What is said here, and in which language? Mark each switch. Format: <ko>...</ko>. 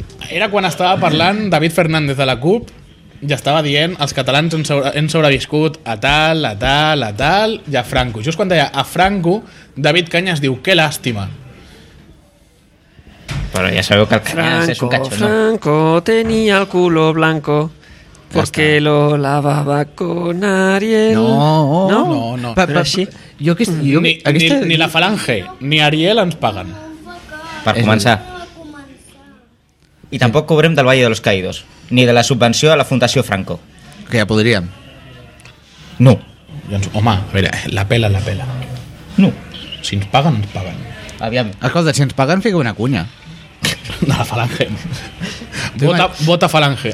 <ca>Era quan estava parlant David Fernández de la CUP. Ja estava dient, els catalans hem sobreviscut a tal, i a Franco. Just quan deia a Franco, David Canyes diu, que làstima. Però ja sabeu que el Canyes és un cachorro.</ca> <es>Franco tenia el culo blanco, porque lo lavaba con Ariel.</es> <ca>No. Però així... Ni la Falange, ni Ariel ens paguen. Per començar. I tampoc cobrem del Valle de los Caídos. Ni de la subvenció a la Fundació Franco. Que ja podríem. No. Doncs, home, a veure, la pela. No. Si ens paguen, ens paguen. Aviam. Escolta, si ens paguen, fica una cunya. De la Falange. Vota Falange.</ca>